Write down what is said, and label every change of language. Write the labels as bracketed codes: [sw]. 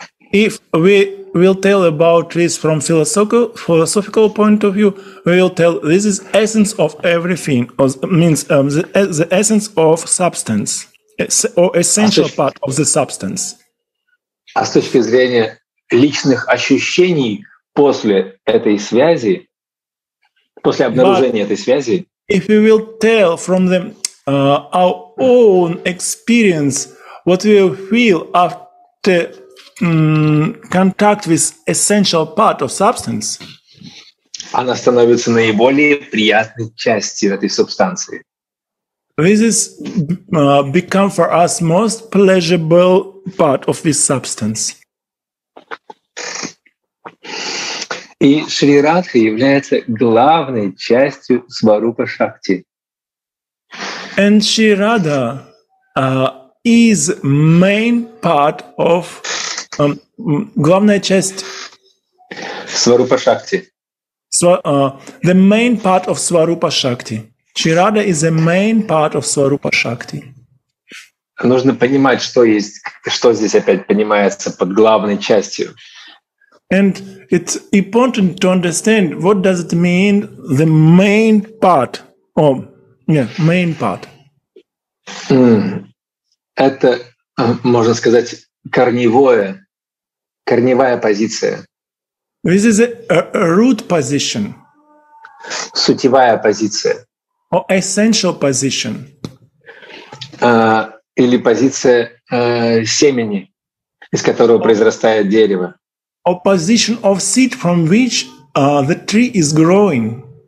[en] If we will tell about this from philosophical point of view, we will tell this is essence of everything, or means the essence of substance, or essential part of the substance. [ru] А с точки зрения личных ощущений после этой связи, после обнаружения этой связи, [en] if we will tell from the our own experience what we feel after contact with essential part of substance, [ru] она становится наиболее приятной частью этой субстанции. [en] This is become for us most pleasurable part of this substance. [ru] И Шри Радха является главной частью Сварупа Шакти. [en] And Шри Радха is main part of [ru] главная часть Сварупа Шакти. [en] The main part of Сварупа Шакти. Шри Радха is the main part of Сварупа Шакти. [ru] Нужно понимать, что есть, что здесь опять понимается под главной частью. [en] And it's important to understand what does it mean the main part. Main part. [ru] Это, можно сказать, корневая позиция. [en] This is a root position. [ru] Сутевая позиция. [en] Or essential position. [ru] Или позиция семени, из которого произрастает дерево. [en] Or position of seed from which the tree is growing.